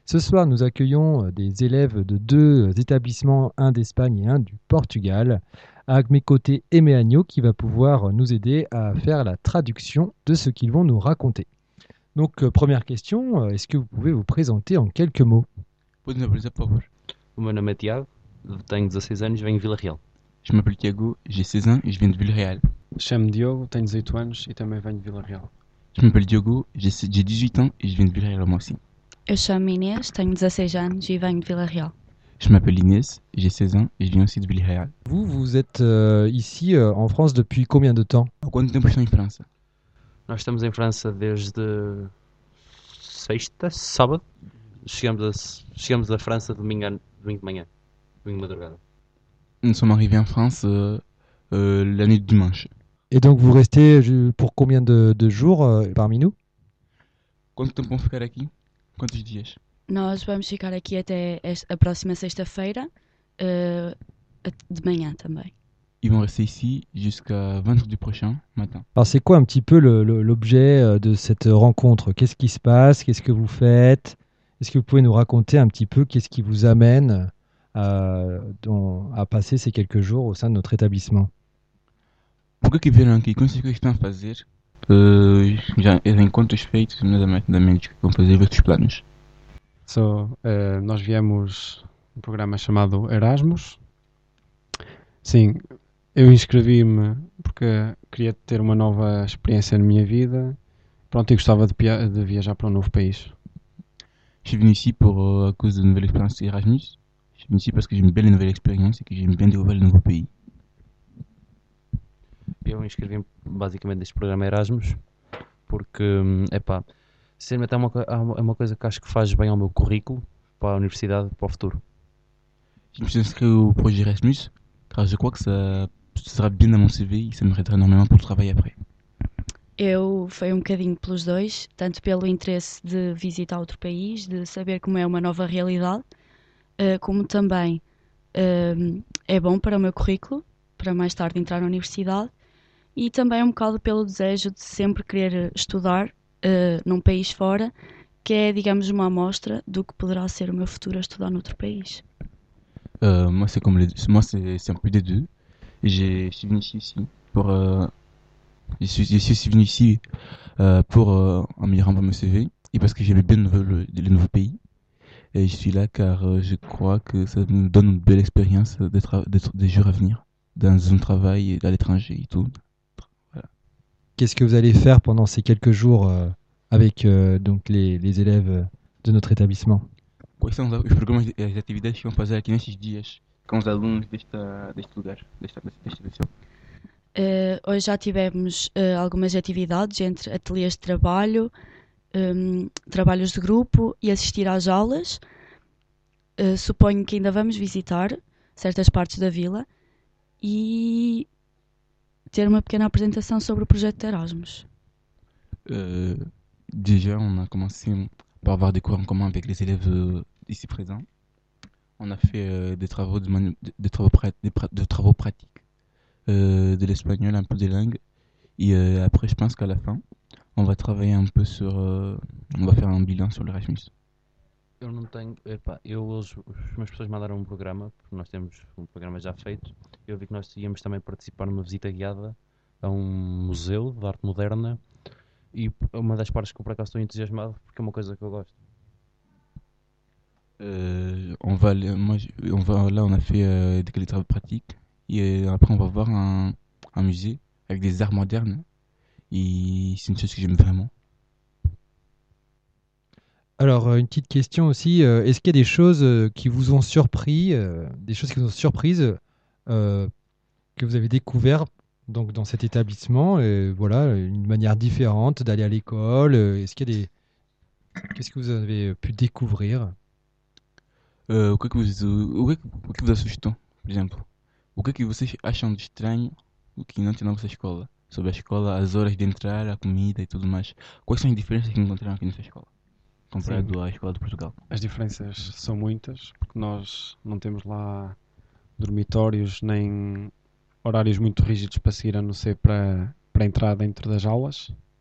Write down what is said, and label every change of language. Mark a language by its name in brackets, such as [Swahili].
[French] Ce soir, nous accueillons des élèves de deux établissements, un d'Espagne et un du Portugal. À mes côtés, Aimé Agneau qui va pouvoir nous aider à faire la traduction de ce qu'ils vont nous raconter. Donc, première question, est-ce que vous pouvez vous présenter en quelques mots? [Portuguese] Podes me apresentar, por favor. O meu nome é Tiago, tenho 16 anos e venho de Vila Real. [French] Je m'appelle Tiago, j'ai 16 ans et je viens de Vila Real. [Portuguese] Chamo-me Diogo, tenho 18 anos e também venho de Vila Real. [French] Je m'appelle Diogo, j'ai 18 ans et je viens de Vila Real moi aussi. [Portuguese] Eu chamo-me Inês, tenho 16 anos e venho de Vila Real. [French] Je m'appelle Inès, j'ai 16 ans et je viens aussi de Vila Real. Vous êtes ici en France depuis combien de temps? [Portuguese] Há quanto tempo estão em França? Nós estamos em França desde sexta, sábado. Chegamos à França domingo de manhã, domingo de madrugada. [French] Nous sommes arrivés en France la nuit de dimanche. Et donc vous restez pour combien de jours parmi nous? [Portuguese] Quanto tempo vamos ficar aqui? Quantos dias? Nós vamos ficar aqui até a próxima sexta-feira, de manhã também. [French] Ils vont rester ici jusqu'à vendredi prochain matin. Alors c'est quoi un petit peu l'objet de cette rencontre? Qu'est-ce qui se passe? Qu'est-ce que vous faites? Est-ce que vous pouvez nous raconter un petit peu qu'est-ce qui vous amène à passer ces quelques jours au sein de notre établissement? Pourquoi qu'ils viennent ici? Qu'est-ce qu'ils vont faire? [Portuguese] Encontros feitos, meus amigos, vão fazer outros planos. Nós viemos um programa chamado Erasmus. Sim, eu inscrevi-me porque queria ter uma nova experiência na minha vida. Pronto, e gostava de viajar para um novo país. [French] Je suis venu ici à cause de nouvelles expériences Erasmus. Je suis venu ici parce que j'aime bien les nouvelles expériences et que j'aime bien découvrir les nouveaux pays. [Portuguese] Eu inscrevi-me basicamente neste programa Erasmus porque, epá, sinceramente é uma coisa que acho que faz bem ao meu currículo para a universidade, para o futuro. [French] Je me suis inscrit au projet Erasmus car je crois que ça sera bien dans mon CV et ça m'aiderait énormément pour le travail après. [Portuguese] Eu fui um bocadinho pelos dois, tanto pelo interesse de visitar outro país, de saber como é uma nova realidade, como também é bom para o meu currículo, para mais tarde entrar na universidade. E também um bocado pelo desejo de sempre querer estudar num país fora, que é, digamos, uma amostra do que poderá ser o meu futuro a estudar noutro país. [French] Moi c'est comme les deux. Moi c'est un peu des deux. Je suis venu ici pour je suis venu ici pour améliorer mon CV et parce que j'aimais bien les nouveaux pays. Et je suis là car je crois que ça me donne une belle expérience d'être des jours à venir dans un travail à l'étranger et tout. Qu'est-ce que vous allez faire pendant ces quelques jours avec donc les élèves de notre établissement? [Portuguese] Quais são os programas e as atividades que vão fazer aqui nestes dias com os alunos deste lugar, desta instituição? Hoje já tivemos algumas atividades entre ateliês de trabalho, trabalhos de grupo e assistir às aulas. Suponho que ainda vamos visitar certas partes da vila e ter uma pequena apresentação sobre o projeto de Erasmus. [French] Déjà, on a commencé par avoir des cours en commun avec les élèves. Ici présent, on a fait des travaux de travaux pratiques de l'espagnol, un peu des langues. Et après, je pense qu'à la fin, on va travailler un peu on va faire un bilan sur l'Erasmus. [Portuguese] Eu não tenho. Epá, as minhas pessoas mandaram um programa, porque nós temos um programa já feito. Eu vi que nós íamos também participar numa visita guiada a um museu de arte moderna. E uma das partes que eu por acaso estou entusiasmado, porque é uma coisa que eu gosto. [French] On va là, on a fait des travaux pratiques et après on va voir un musée avec des arts modernes et c'est une chose que j'aime vraiment. Alors, une petite question aussi. Est-ce qu'il y a des choses qui vous ont surpris, des choses qui vous ont surprises, que vous avez découvertes donc dans cet établissement, et voilà, une manière différente d'aller à l'école. Est-ce qu'il y a des, qu'est-ce que vous avez pu découvrir? [Portuguese] O que vos assustou, por exemplo? O que é que vocês acham de estranho o que não tem na vossa escola? Sobre a escola, as horas de entrar, a comida e tudo mais. Quais são as diferenças que encontraram aqui nessa escola? Sim, Comparado à escola de Portugal. as diferenças são muitas, porque nós não temos lá dormitórios nem horários muito rígidos para seguir, a não ser para a entrada dentro das aulas.